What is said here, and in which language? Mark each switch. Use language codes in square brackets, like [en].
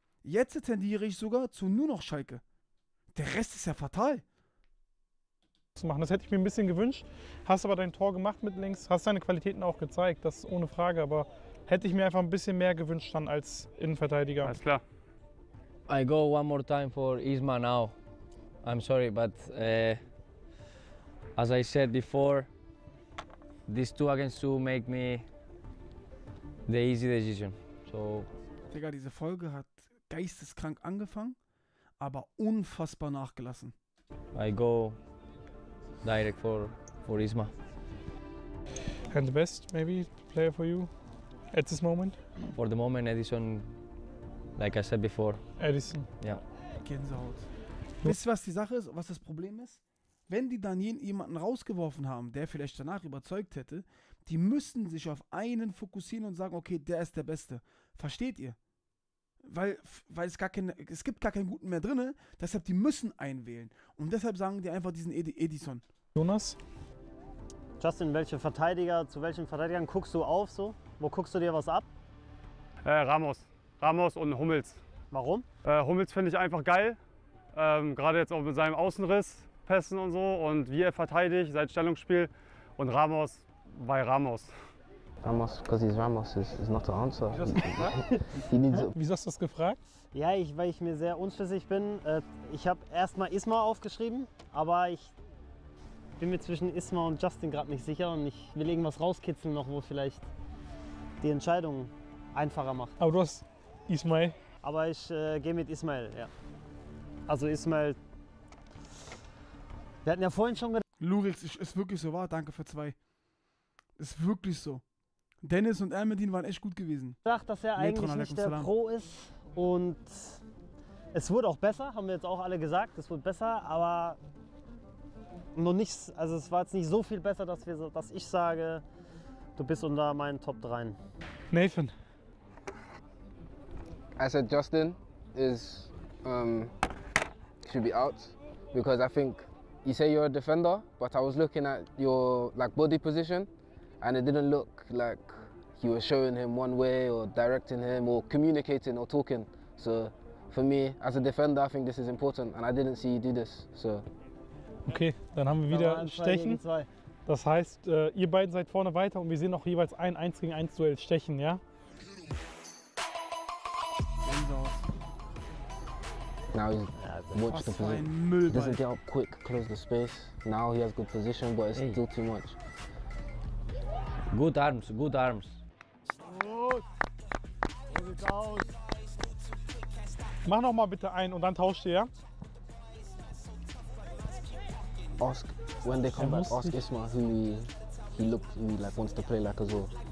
[de] Jetzt tendiere ich sogar zu nur noch Schalke. Der Rest ist ja fatal. Zu machen. Das hätte ich mir ein bisschen gewünscht. Hast aber dein Tor gemacht mit links. Hast deine Qualitäten auch gezeigt. Das ist ohne Frage. Aber hätte ich mir einfach ein bisschen mehr gewünscht dann als Innenverteidiger. Alles klar. [en] I go one more time for Isma now. I'm sorry, but as I said before, these two against two make me the easy decision. So. [de] Digga, diese Folge hat geisteskrank angefangen, aber unfassbar nachgelassen. [en] I go direct for Isma. And the best, maybe, player for you at this moment? For the moment, Edison, like I said before. Edison. Yeah. [de] Gänsehaut. Wisst ihr, was die Sache ist, was das Problem ist? Wenn die dann jemanden rausgeworfen haben, der vielleicht danach überzeugt hätte, die müssen sich auf einen fokussieren und sagen, okay, der ist der Beste. Versteht ihr? Weil es gibt gar keinen Guten mehr drin, deshalb die müssen einen wählen. Und deshalb sagen die einfach diesen Edison. Jonas? Justin, zu welchen Verteidigern guckst du auf so? Wo guckst du dir was ab? Ramos. Ramos und Hummels. Warum? Hummels finde ich einfach geil. Gerade jetzt auch mit seinem Außenriss, Pässen und so. Und wie er verteidigt, sein Stellungsspiel. Und Ramos, bei Ramos. [en] Ramos, because he's Ramos, is not the answer. [de] Wieso hast du das gefragt? Ja, weil ich mir sehr unschlüssig bin. Ich habe erstmal Isma aufgeschrieben, aber ich bin mir zwischen Isma und Justin gerade nicht sicher. Und ich will irgendwas rauskitzeln noch, wo vielleicht die Entscheidung einfacher macht. Aber du hast Ismail. Aber ich gehe mit Ismail, ja. Also Ismail, wir hatten ja vorhin schon gedacht. Lurix, ist wirklich so wahr, danke für zwei. Ist wirklich so. Dennis und Ermedin waren echt gut gewesen. Ich dachte, dass er eigentlich nicht der Pro ist. Und es wurde auch besser, haben wir jetzt auch alle gesagt. Es wurde besser, aber noch nichts. Also es war jetzt nicht so viel besser, dass ich sage, du bist unter meinen Top 3. Nathan. [en] I said Justin is should be out because I think you say you're a defender, but I was looking at your like body position and it didn't look like you were showing him one way or directing him or communicating or talking. So for me as a defender, I think this is important and I didn't see you do this. So [de] okay, dann haben wir wieder Stechen. Das heißt, ihr beiden seid vorne weiter und wir sehen auch jeweils ein 1 gegen 1 Duell Stechen, ja? [en] Now he's watched the position. Doesn't get up quick, close the space. Now he has good position, but it's still too much. Good arms, good arms. [de] Mach noch mal bitte ein und dann tauscht ihr, ja? [en] Ask, when they come back, ask Isma, who he looks, who he like, wants to play like as well.